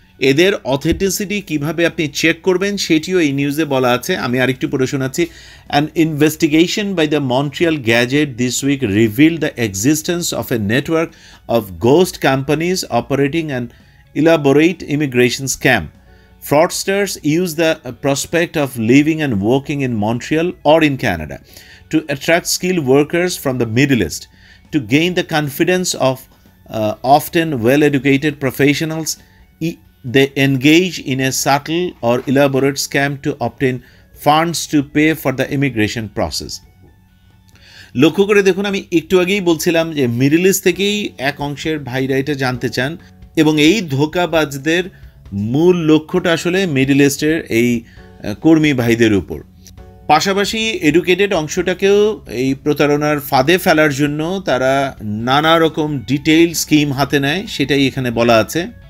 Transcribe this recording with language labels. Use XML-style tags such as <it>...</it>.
<bn>এদের অথেন্টিসিটি কিভাবে আপনি চেক করবেন সেটিও এই নিউজে বলা আছে, আমি আরেকটু পড়ে শোনাচ্ছি।</bn> <en>An investigation by the Montreal Gazette this week reveal the existence of a network of ghost companies operating an elaborate immigration scam. Fraudsters use the prospect of living and working in Montreal or in Canada to attract skilled workers from the Middle East to gain the confidence of often well-educated professionals. They engage in a subtle or elaborate scam to obtain funds to pay for the immigration process.</en> <bn>লক্ষ্য করে দেখুন, আমি একটু আগেই বলছিলাম যে middle east থেকেই এক অংশের ভাইরা এটা জানতে চান, এবং এই ধোকাবাজদের মূল লক্ষ্যটা আসলে মিডল ইস্টের এই কর্মী ভাইদের উপর। পাশাপাশি এডুকেটেড অংশটাকেও এই প্রতারণার ফাঁদে ফেলার জন্য তারা নানা রকম ডিটেইল স্কিম হাতে নেয়, সেটাই এখানে বলা আছে।</bn>